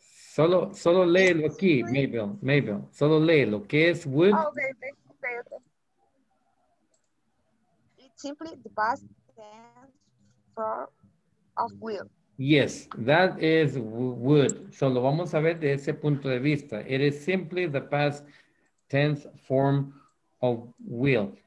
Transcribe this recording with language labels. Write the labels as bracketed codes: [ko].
[es] Solo léelo aquí, Mabel. Solo léelo. ¿Qué es would? [en] Okay. It's simply the past tense form of will. Yes, that is would. [es] Solo vamos a ver de ese punto de vista. [en] It is simply the past tense form of will.